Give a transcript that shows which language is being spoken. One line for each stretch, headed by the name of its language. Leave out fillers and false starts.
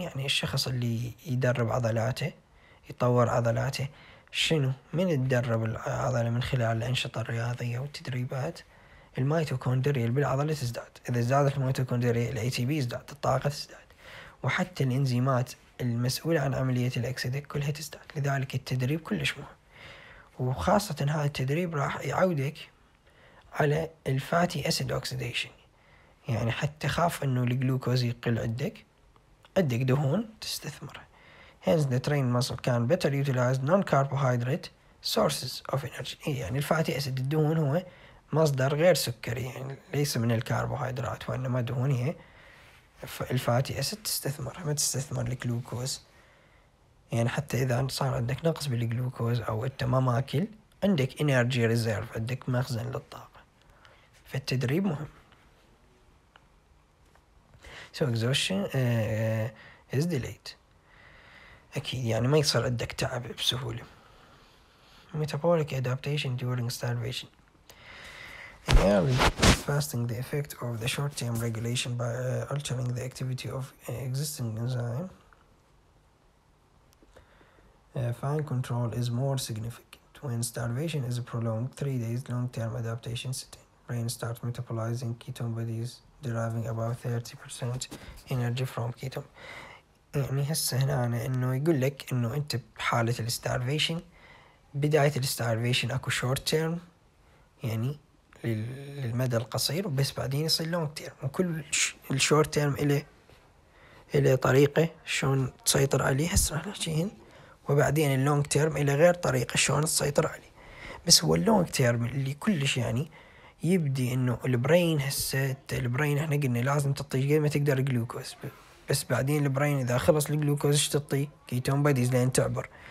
Arabic: يعني الشخص اللي يدرب عضلاته يطور عضلاته شنو، من تدرب العضلة من خلال الأنشطة الرياضية والتدريبات الميتوكوندريا بالعضلة تزداد، إذا زادت الميتوكوندريا الـ ATP يزداد، الطاقة تزداد، وحتى الإنزيمات المسؤولة عن عملية الأكسدة كلها تزداد، لذلك التدريب كلش مهم، وخاصة هذا التدريب راح يعودك على الفاتي أسيد أوكسيديشن، يعني حتى خاف انه الجلوكوز يقل عندك دهون تستثمر.
English: Hence the trained muscle can better utilize non-carbohydrate sources of energy.
Arabic: يعني الفاتي اسيد الدهون هو مصدر غير سكري، يعني ليس من الكربوهيدرات، وانما دهون هي الفاتي اسيد تستثمر، ما تستثمر الجلوكوز. يعني حتى اذا صار عندك نقص بالجلوكوز او انت ما ماكل، عندك energy reserve، عندك مخزن للطاقة، فالتدريب مهم.
English: So exhaustion is delayed.
Arabic: أكيد يعني ما يصير عندك تعب بسهولة.
English: Metabolic adaptation during starvation. In early fasting, the effect of the short-term regulation by altering the activity of existing enzyme fine control is more significant. When starvation is prolonged, 3 days long-term adaptation set in. Brain starts metabolizing ketone bodies. deriving about 30% energy from ketone.
Arabic: يعني هسه هنا أنا إنه يقول لك إنه أنت بحالة الستارفيشن، بداية الستارفيشن أكو short term يعني للمدى القصير، وبس بعدين يصير long term، وكل short term إلي طريقة شون تسيطر عليه، هسه راح نحكيهن، وبعدين long term إلي غير طريقة شون تسيطر عليه، بس هو long term اللي كلش يعني يبدي انه البرين، هسه البرين احنا قلنا لازم تعطي قد ما تقدر جلوكوز، بس بعدين البرين اذا خلص الجلوكوز ايش تعطي؟ كيتون بوديز لين تعبر.